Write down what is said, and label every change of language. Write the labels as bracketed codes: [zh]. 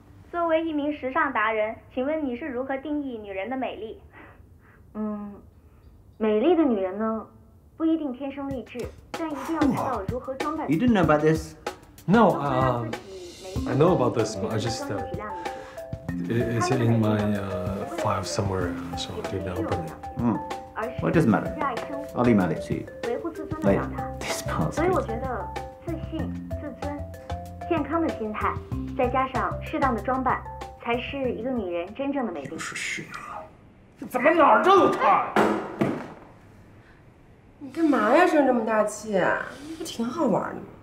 [zh] 作为一名时尚达人，请问你是如何定义女人的美丽？美丽的女人呢，不一定天生丽质，但一定要知道如何装扮。 [en] You didn't know about this? No, I know about this, but I just it's in my file somewhere, so I didn't open it. Well, it doesn't matter. I'll email it to you. Wait, this part's good. [zh] 所以我觉得自信、自尊、健康的心态，再加上适当的装扮，才是一个女人真正的美丽。就是许诺，这怎么哪儿都有他？你干嘛呀？生这么大气啊？不挺好玩的吗？